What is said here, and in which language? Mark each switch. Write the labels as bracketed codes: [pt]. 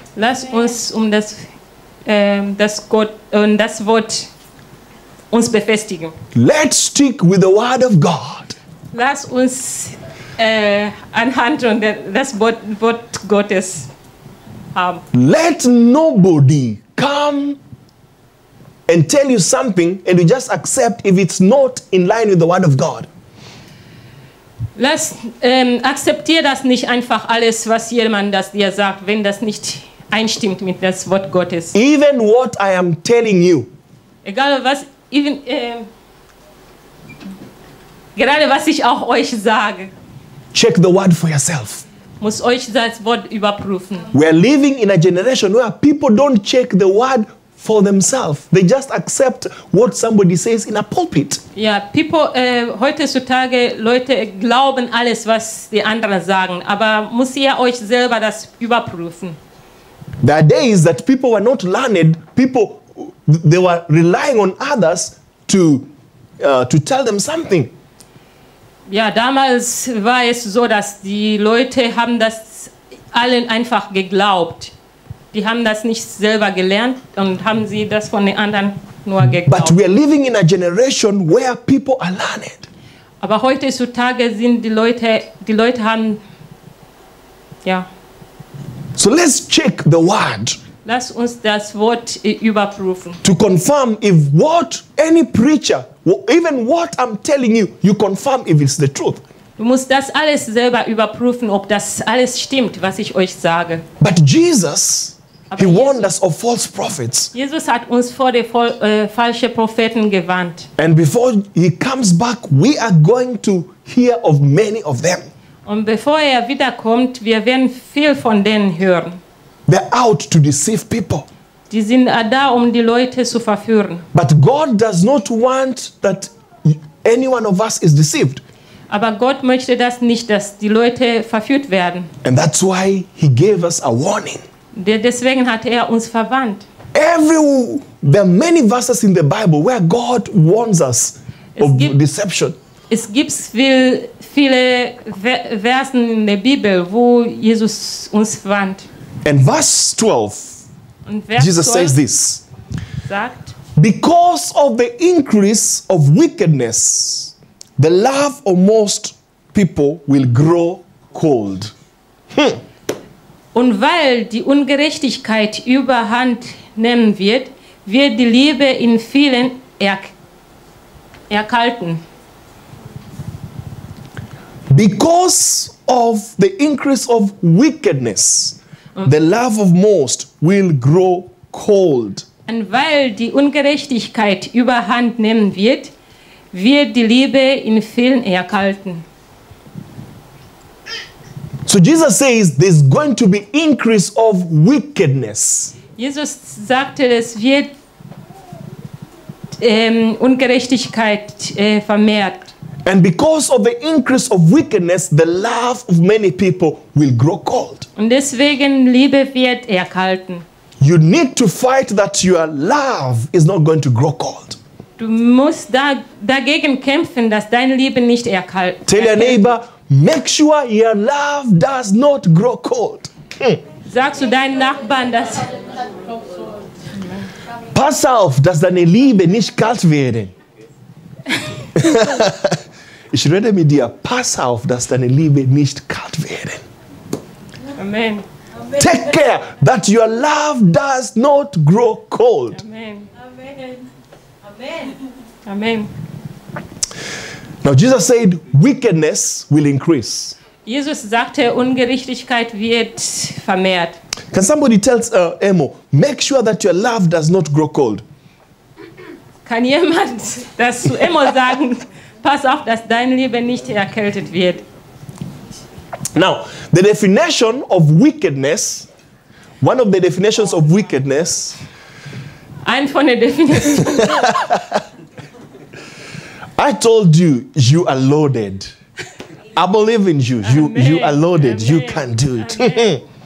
[de] Lass uns das Gott und das Wort uns befestigen. [en] Let's stick with the word of God. [de] Lass uns anhand und das Wort Gottes haben. [en] Let nobody come and tell you something, and you just accept if it's not in line with the word of God. [de] Lass akzeptier das nicht einfach alles, was jemand das dir sagt, wenn das nicht einstimmt mit das Wort Gottes. [en] Even what I am telling you. [de] Egal was, [en] even [de] gerade was ich auch euch sage. [en] Check the word for yourself. [de] Muss euch das Wort überprüfen. [en] We are living in a generation where people don't check the word for themselves. They just accept what somebody says in a pulpit. [de] Ja, [en] people [de] heutzutage Leute glauben alles, was die anderen sagen, aber muss ihr euch selber das überprüfen. [en] There are days that people were not learned. People, they were relying on others to tell them something. [de] Ja, damals war es so, dass die Leute haben das allen einfach geglaubt. Die haben das nicht selber gelernt und haben sie das von den anderen nur geglaubt. [en] But we are living in a generation where people are learned. [de] Aber heutzutage sind die Leute haben, ja. [en] So let's check the word. [de] Lass uns das Wort überprüfen. [en] To confirm if what any preacher, even what I'm telling you, you confirm if it's the truth. [de] Du musst das alles selber überprüfen, ob das alles stimmt, was ich euch sage. [en] But Jesus, [de] aber [en] he warned us of false prophets. [de] Jesus hat uns vor den falschen Propheten gewarnt. [en] And before he comes back, we are going to hear of many of them. [de] Und bevor er wiederkommt, wir werden viel von denen hören. [en] They're out to deceive people. [de] Die sind da, um die Leute zu verführen. [en] But God does not want that any one of us is deceived. [de] Aber Gott möchte das nicht, dass die Leute verführt werden. [en] And that's why he gave us a warning. [de] Deswegen hat er uns verwarnt. [en] There are many verses in the Bible where God warns us of deception. [de] Es gibt viele Versen in der Bibel, wo Jesus uns warnt. [en] And verse 12, [de] und Vers Jesus 12 [en] says this. [de] Sagt, [en] because of the increase of wickedness, the love of most people will grow cold. [de] Und weil die Ungerechtigkeit überhand nehmen wird, wird die Liebe in vielen erkalten. [en] Because of the increase of wickedness, the love of most will grow cold. [de] Und weil die Ungerechtigkeit überhand nehmen wird, wird die Liebe in vielen erkalten. [en] So Jesus says there's going to be increase of wickedness. [de] Jesus sagte, es wird Ungerechtigkeit vermehrt. [en] And because of the increase of wickedness, the love of many people will grow cold. [de] Und deswegen Liebe wird erkalten. [en] You need to fight that your love is not going to grow cold. [de] Du musst dagegen kämpfen, dass deine Liebe nicht erkalt. [en] Tell your neighbor, make sure your love does not grow cold. [de] Sag zu deinen Nachbarn, dass... Pass auf, dass deine Liebe nicht kalt werden. Ich rede mit dir, pass auf, dass deine Liebe nicht kalt werden. [en] Amen. Take care that your love does not grow cold. Amen. Amen. Amen. Now Jesus said, wickedness will increase. [de] Jesus sagte, Ungerechtigkeit wird vermehrt. [en] Can somebody tell Emo, make sure that your love does not grow cold? [de] Kann jemand das zu Emo sagen? Pass auf, dass deine Liebe nicht erkältet wird. [en] Now, the definition of wickedness, one of the definitions of wickedness. [de] Ein von den Definitionen. [en] I told you, you are loaded. I believe in you. Amen. You are loaded. Amen. You can do it. Amen.